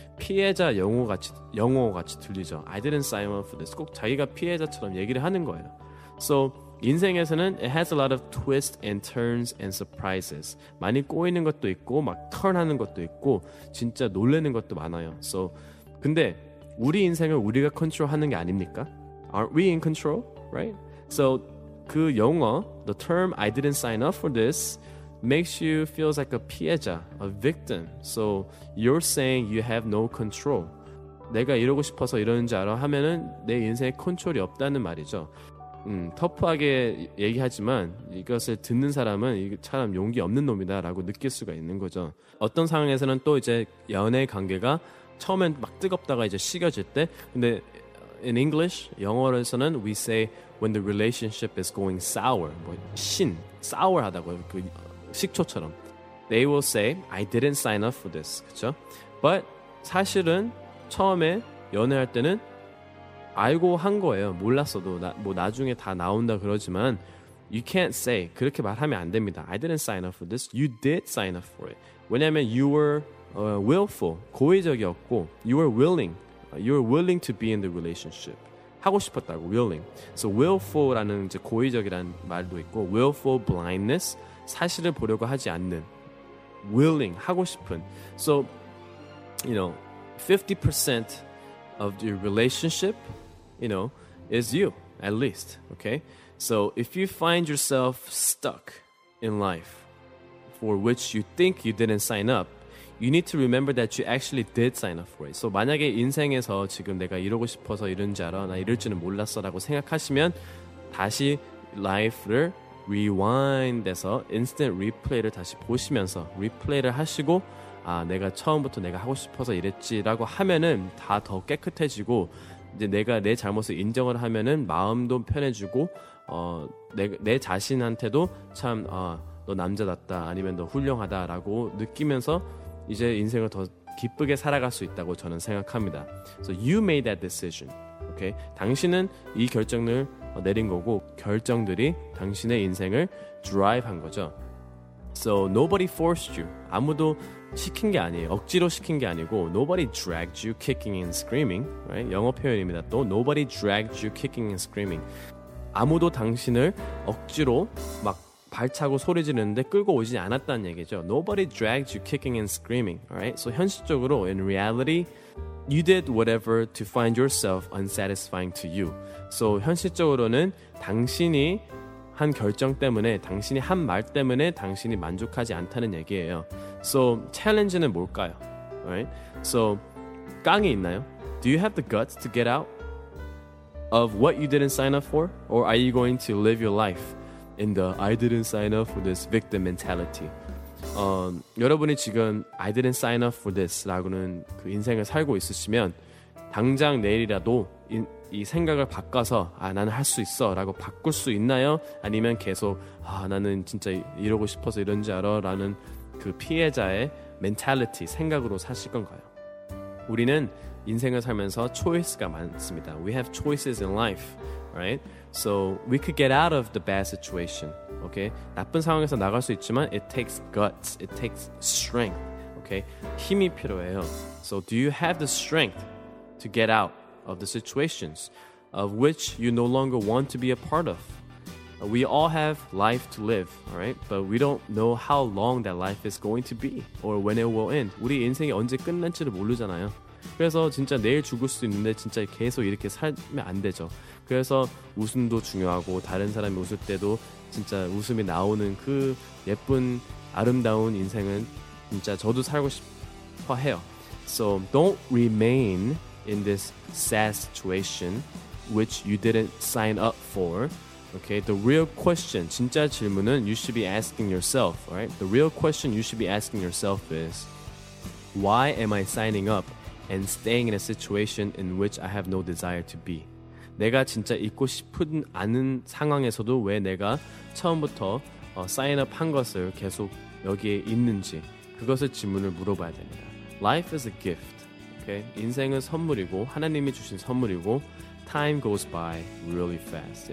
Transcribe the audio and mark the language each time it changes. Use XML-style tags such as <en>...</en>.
<ko>피해자 영어같이 들리죠.</ko> <en>I didn't sign up for this.</en> <ko>꼭 자기가 피해자처럼 얘기를 하는 거예요.</ko> <en>So,</en> <ko>인생에서는</ko> <en>it has a lot of twists and turns and surprises.</en> <ko>많이 꼬이는 것도 있고, 막 턴하는 것도 있고, 진짜 놀라는 것도 많아요. So, 근데 우리 인생을 우리가 컨트롤하는 게 아닙니까?</ko> <en>Aren't we in control? Right? So, 그 영어, the term I didn't sign up for this makes you feel like a 피해자, a victim. So, you're saying you have no control.</en> <ko>내가 이러고 싶어서 이러는지 알아? 하면은 내 인생에 컨트롤이 없다는 말이죠. 터프하게 얘기하지만 이것을 듣는 사람은 참 용기 없는 놈이다 라고 느낄 수가 있는 거죠. 어떤 상황에서는 또 이제 연애 관계가 처음엔 막 뜨겁다가 이제 식어질 때, 근데 in English, 영어에서는</ko> <en>we say when the relationship is going sour,</en> <ko>뭐 신, sour 하다고요. 그 식초처럼.</ko> <en>They will say, I didn't sign up for this.</en> <ko>그쵸? But 사실은 처음에 연애할 때는 알고 한 거예요. 몰랐어도 뭐 나중에 다 나온다 그러지만</ko> <en>you can't say</en> <ko>그렇게 말하면 안 됩니다.</ko> <en>I didn't sign up for this. You did sign up for it. 왜냐하면 you were willful 고의적이었고 you were willing. You were willing to be in the relationship.</en> <ko>하고 싶었다고 willing. So willful라는 이제 고의적이라는 말도 있고 willful blindness 사실을 보려고 하지 않는 willing 하고 싶은.</ko> <en>So you know 50% of your relationship, you know, is you, at least, okay? So if you find yourself stuck in life for which you think you didn't sign up, you need to remember that you actually did sign up for it.</en> <ko>So 만약에 인생에서 지금 내가 이러고 싶어서 이런지 알아? 나 이럴 줄은 몰랐어 라고 생각하시면 다시 life를 rewind해서 instant replay를 다시 보시면서 replay를 하시고 아, 내가 처음부터 내가 하고 싶어서 이랬지라고 하면은 다 더 깨끗해지고 이제 내가 내 잘못을 인정을 하면은 마음도 편해지고 내 자신한테도 참 너 남자답다 아니면 너 훌륭하다라고 느끼면서 이제 인생을 더 기쁘게 살아갈 수 있다고 저는 생각합니다.</ko> <en>So you made that decision. Okay?</en> <ko>당신은 이 결정을 내린 거고 결정들이 당신의 인생을 드라이브 한 거죠.</ko> <en>So nobody forced you.</en> <ko>아무도 시킨 게 아니에요. 억지로 시킨 게 아니고</ko> <en>nobody dragged you kicking and screaming, right?</en> <ko>영어 표현입니다.</ko> <en>또 nobody dragged you kicking and screaming.</en> <ko>아무도 당신을 억지로 막 발차고 소리 지르는데 끌고 오지 않았다는 얘기죠.</ko> <en>Nobody dragged you kicking and screaming, right? So 현실적으로 in reality you did whatever to find yourself unsatisfying to you.</en> <ko>So 현실적으로는 당신이 한 결정 때문에 당신이 한 말 때문에 당신이 만족하지 않다는 얘기예요. So, challenge는 뭘까요? Right? So, 깡이 있나요?</ko> <en>Do you have the guts to get out of what you didn't sign up for? Or are you going to live your life in the I didn't sign up for this victim mentality?</en> <ko>여러분이 지금 I didn't sign up for this 라고는 그 인생을 살고 있으시면 당장 내일이라도 이 생각을 바꿔서 아 나는 할 수 있어 라고 바꿀 수 있나요? 아니면 계속 아 나는 진짜 이러고 싶어서 이런지 알아? 라는 그 피해자의 멘탈리티 생각으로 사실 건가요? 우리는 인생을 살면서 choice가 많습니다.</ko> <en>We have choices in life, right? So we could get out of the bad situation, okay?</en> <ko>나쁜 상황에서 나갈 수 있지만</ko> <en>it takes guts, it takes strength, okay?</en> <ko>힘이 필요해요.</ko> <en>So do you have the strength to get out of the situations of which you no longer want to be a part of? We all have life to live, all right? But we don't know how long that life is going to be or when it will end.</en> <ko>우리 인생이 언제 끝날지를 모르잖아요. 그래서 진짜 내일 죽을 수도 있는데 진짜 계속 이렇게 살면 안 되죠. 그래서 웃음도 중요하고 다른 사람이 웃을 때도 진짜 웃음이 나오는 그 예쁜 아름다운 인생은 진짜 저도 살고 싶어 해요.</ko> <en>So don't remain in this sad situation which you didn't sign up for. Okay, the real question,</en> <ko>진짜 질문은</ko> <en>you should be asking yourself, right? The real question you should be asking yourself is, why am I signing up and staying in a situation in which I have no desire to be?</en> <ko>내가 진짜 있고 싶은 않은 상황에서도 왜 내가 처음부터 사인업 한 것을 계속 여기에 있는지 그것을 질문을 물어봐야 됩니다.</ko> <en>Life is a gift. Okay?</en> <ko>인생은 선물이고 하나님이 주신 선물이고</ko> <en>Time goes by really fast.</en>